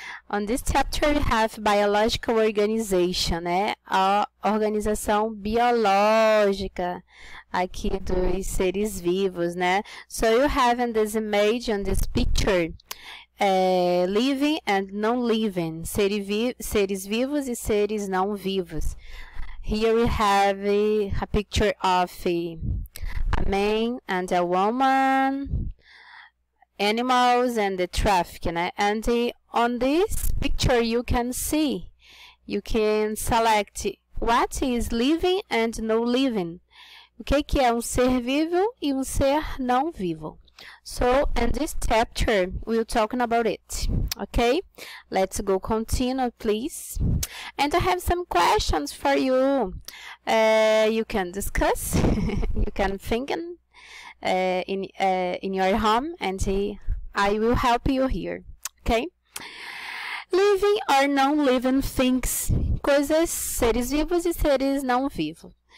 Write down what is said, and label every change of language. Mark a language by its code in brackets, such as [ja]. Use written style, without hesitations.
[en] On this chapter, we have biological organization, né? [pt] A organização biológica aqui dos seres vivos, né? [en] So, you have in this image, on this picture, living and non-living, [pt] seres vivos e seres não vivos. [en] Here we have a picture of a man and a woman, animals and the traffic, né? And on this picture you can see, you can select what is living and no living. [pt] O que é ser vivo e ser não vivo. [en] So, in this chapter, we're talking about it. Okay? Let's go continue, please. And I have some questions for you. You can discuss, you can think in your home, and I will help you here. Okay? Living or non-living things, [pt] coisas, seres vivos e seres não vivos.